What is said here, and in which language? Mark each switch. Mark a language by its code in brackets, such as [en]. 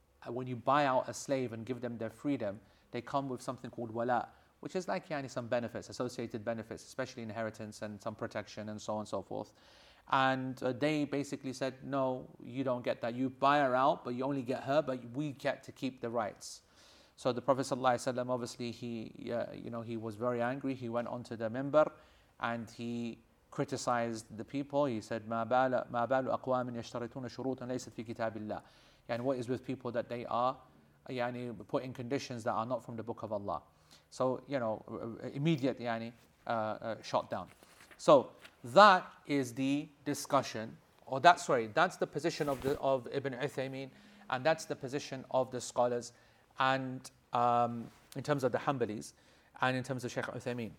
[en] when you buy out a slave and give them their freedom, they come with something called wala, which is like some benefits, associated benefits, especially inheritance and some protection and so on and so forth. And they basically said, no, you don't get that. You buy her out, but you only get her, but we get to keep the rights. So the Prophet sallallahu alaihi wasallam, obviously, he was very angry. He went onto the minbar and he criticized the people. He said, [ar] ما بال أقوام يشترطون شروطا ليست في كتاب الله. [en] And what is with people that they are يعني putting conditions that are not from the book of Allah. So, you know, immediate يعني shot down. So that is the discussion, or that's the position of Ibn Uthaymeen, and that's the position of the scholars, and in terms of the Hanbalis, and in terms of Shaykh Uthaymeen.